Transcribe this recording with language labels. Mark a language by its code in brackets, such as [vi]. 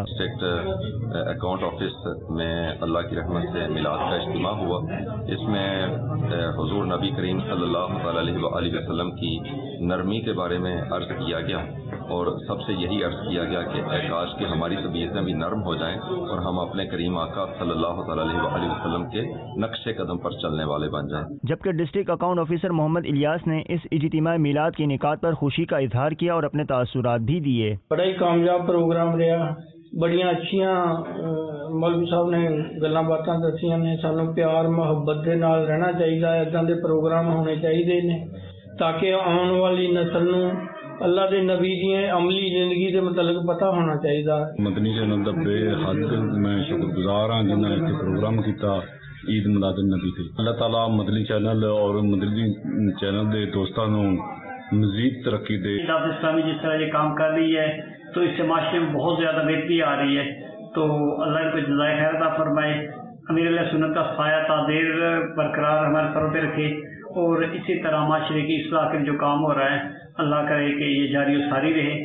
[ur] Account office میں اللہ کی رحمت سے میلاد کا اجتماع ہوا، اس میں حضور نبی کریم صلی اللہ علیہ وآلہ وسلم کی نرمی کے بارے میں عرض کیا گیا، اور سب سے یہی عرض کیا گیا کہ کاش کہ ہماری طبیعتیں بھی نرم ہو جائیں اور ہم اپنے کریم آقا صلی اللہ علیہ وآلہ وسلم کے نقش قدم پر چلنے والے بن جائیں۔ جبکہ ڈسٹرکٹ اکاؤنٹ آفیسر محمد الیاس نے اس اجتماع میلاد کے انعقاد پر خوشی کا اظہار کیا اور اپنے تاثرات بھی دیے۔ [pa] بڑا ہی کامیاب پروگرام رہا، بڑیاں اچھیاں مولوی صاحب نے گلاں باتاں دسیاں نے۔ سانوں پیار محبت دے نال رہنا چاہیے، ادھر دے پروگرام ہونے چاہیے نے تاکہ آن والی نسل نوں اللہ دے نبی دی عملی زندگی دے متعلق پتا ہونا چاہیے۔ مدنی چینل دا بے حد میں شکر گزار ہاں جنہاں نے پروگرام کیتا عید میلاد النبی تے۔ اللہ تعالیٰ مدنی چینل اور مدنی چینل دے دوستاں نوں مزید ترقی دے۔ [ur] اسلامی جس طرح یہ کام کر رہی ہے تو اس سے معاشرے میں بہت زیادہ بہتری آ رہی ہے، تو اللہ کو جزائے خیر عطا فرمائے۔ امیر علیہ سنت کا سایہ تا دیر برقرار ہمارے سروں پہ رکھے، اور اسی طرح معاشرے کی اصلاح کے جو کام ہو رہا ہے اللہ کرے کہ یہ جاری و ساری رہے۔